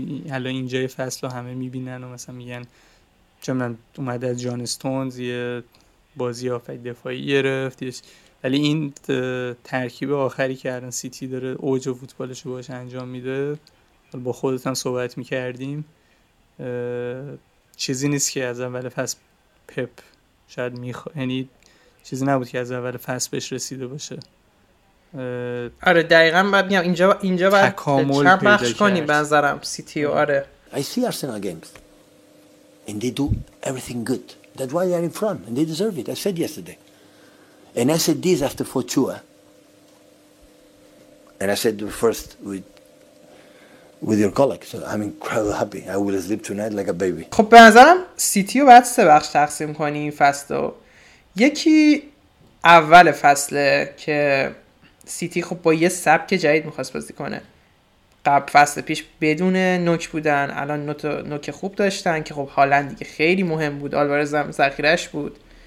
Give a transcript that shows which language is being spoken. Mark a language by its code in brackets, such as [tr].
[fa] الان اینجای فصل رو همه میبینن و مثلا میگن چون من اومده از جان استونز یه بازی آفک دفاعی گرفتیش، ولی این ترکیب آخری که الان سیتی داره اوج و فوتبالش رو باش انجام میده، با خودت هم صحبت میکردیم، چیزی نیست که از اول فصل پپ شاید میخواد، یعنی چیزی نبود که از اول فصل بهش رسیده باشه. آره دقیقا، باید میگم اینجا باید تکامل پیدا کنیم بنظرم سیتی. [en] آره I see Arsenal games and they do everything good, that's why they're in front and they deserve it. I said yesterday and I said this after Fortuna and I said the first with your colleague, so I'm incredibly happy. I will sleep tonight like a baby. [fa] خب به نظرم سیتی رو باید سه بخش تقسیم کنی این فصل رو. یکی اول فصله که سیتی خب با یه سبک جدید میخواست بازی کنه. قبل فصل پیش بدون نوک بودن، الان نوک خوب داشتن که خب هالند دیگه خیلی مهم بود، آلوارز هم ذخیره‌اش بود.